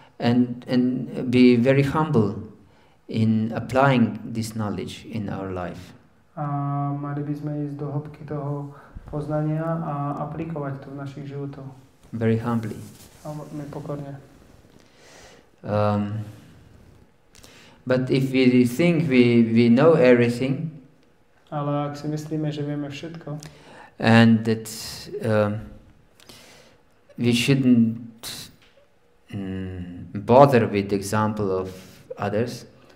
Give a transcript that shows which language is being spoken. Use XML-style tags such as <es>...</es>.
<en>and be very humble in applying this knowledge in our life.</en> <sk>A mali by sme ísť do hĺbky toho poznania a aplikovať to v našich životoch.</sk> <en>Very humbly.</en> <sk>Veľmi pokorne.</sk> <en>But if we think we know everything,</en> <sk>ale ak si myslíme, že vieme všetko,</sk> <en>and that we shouldn't bother with the example of others,</en>